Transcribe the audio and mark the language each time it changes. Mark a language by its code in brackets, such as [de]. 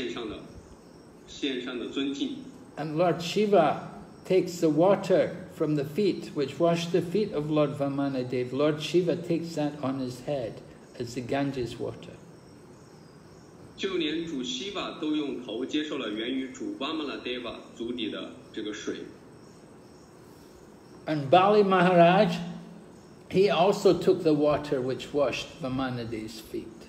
[zh] 所以这里描述了当主瓦玛纳显现的时候，所有的这个圣人，所有的婆罗门都向他献上了尊敬。 [en] And Lord Shiva takes the water from the feet, which wash the feet of Lord Vamanadeva. Lord Shiva takes that on his head as the Ganges water. [zh] 就连主西瓦都用头接受了源于主瓦玛纳德瓦足底的这个水。 [en] And Bali Maharaj, he also took the water which washed Vamanadeva's feet.